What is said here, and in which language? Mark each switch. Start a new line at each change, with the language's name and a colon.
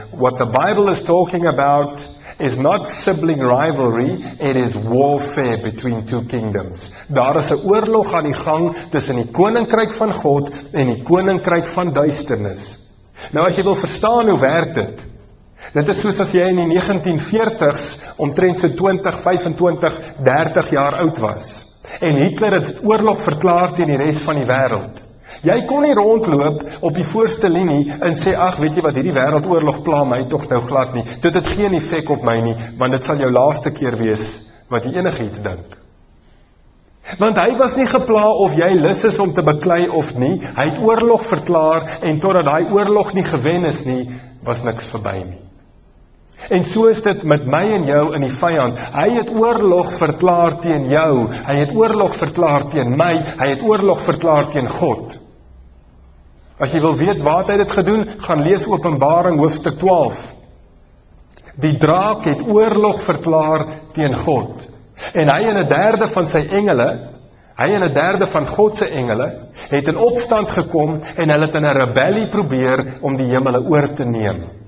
English: What the Bible is talking about is not sibling rivalry, it is warfare between two kingdoms.
Afrikaans: Daar is 'n oorlog aan die gang tussen die koninkryk van God en die koninkryk van duisternis. Nou as jy wil verstaan hoe werk dit, dit is soos as jy in die 1940s omtrent so 20, 25, 30 jaar oud was. En Hitler het oorlog verklaar teen die res van die wêreld. Jy kon nie rondloop op die voorste linie en sê, ag, weet jy wat, hierdie wêreldoorlog pla my tog nou glad nie. Dit het geen effek op my nie, want dit sal jou laaste keer wees wat jy enigiets dink. Want hy was nie gepla of jy lus is om te beklei of nie. Hy het oorlog verklaar en totdat daai oorlog nie gewen is nie, was niks verby nie. En so is dit met my en jou in die vyand. Hy het oorlog verklaar teen jou. Hy het oorlog verklaar teen my. Hy het oorlog verklaar teen God. As jy wil weet wat hy dit gedoen, gaan lees Openbaring hoofstuk 12. Die draak het oorlog verklaar teen God. En hy en 'n derde van sy engele, hy en 'n derde van God se engele, het in opstand gekom en hulle het in 'n rebellie probeer om die hemele oor te neem.